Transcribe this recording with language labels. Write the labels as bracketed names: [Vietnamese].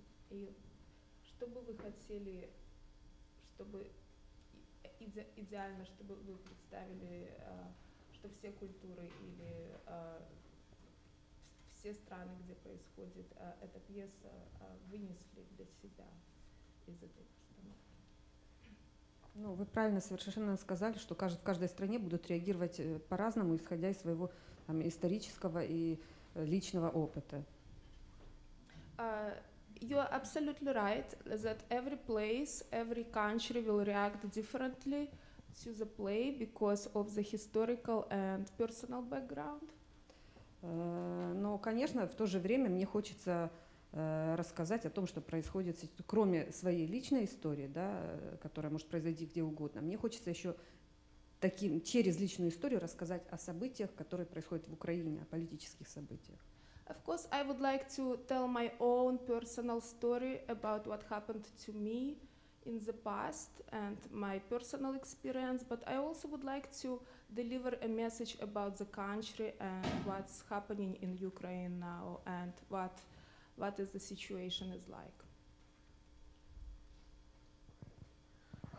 [Russian] И что бы вы хотели, чтобы идеально, чтобы вы представили, что все культуры или все страны, где происходит эта пьеса, вынесли для себя из этой постановки? Ну, вы правильно совершенно сказали, что в каждой стране будут реагировать по-разному, исходя из своего там, исторического и личного опыта. [English] You are absolutely right that every place, every country will react differently to the play because of the historical and personal background. [Russian] Но, конечно, в то же время мне хочется рассказать о том, что происходит, кроме своей личной истории, да, которая может произойти где угодно. Мне хочется еще таким через личную историю рассказать о событиях, которые происходят в Украине, о политических событиях. [English] Of course, I would like to tell my own personal story about what happened to me in the past and my personal experience, but I also would like to deliver a message about the country and what's happening in Ukraine now and what is the situation is like.